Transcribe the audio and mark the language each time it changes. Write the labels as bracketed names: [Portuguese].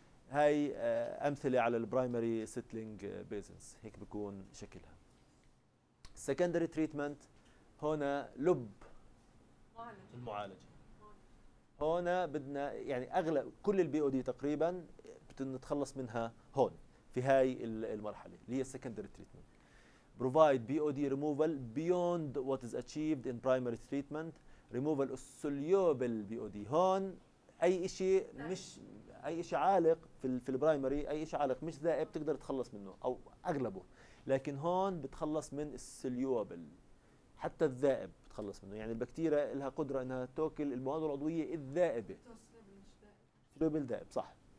[Arabic] هاي أمثلة على البرايمري سيتلينج بيزنس, هيك بكون شكلها. السكندري تريتمنت هنا لب المعالجة. هنا بدنا يعني أغلب كل البي او دي تقريبا بتنتخلص منها هون في هاي المرحلة اللي هي السكندري تريتمنت. [English] Provide BOD removal beyond what is achieved in primary treatment. [Arabic] ريموفال السوليوبل بي او دي. هون اي شيء مش اي شيء عالق في البرايمري، اي شيء عالق مش ذائب تقدر تخلص منه او اغلبه، لكن هون بتخلص من السوليوبل، حتى الذائب بتخلص منه. يعني البكتيريا لها قدره انها تاكل المواد العضويه الذائبه، سوليوبل ذائب صح.